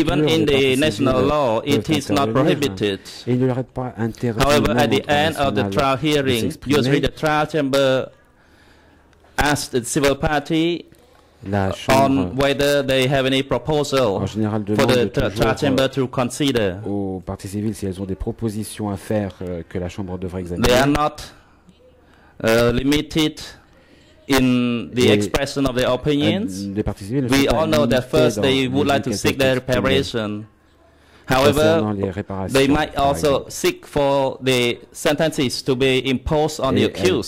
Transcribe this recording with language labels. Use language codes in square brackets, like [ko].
[en] even in the national law, it is not prohibited. [fr] Il ne leur est pas interdit. [en] However, at the end of the trial hearing, usually the trial chamber asked the civil party on whether they have any proposal for the trial chamber to consider. [fr] Aux parties civiles, si elles ont des propositions à faire que la chambre devrait examiner. [en] They are not limited in the expression of their opinions. We all know that first they would like to seek their reparation. However, they might also seek for the sentences to be imposed on the accused.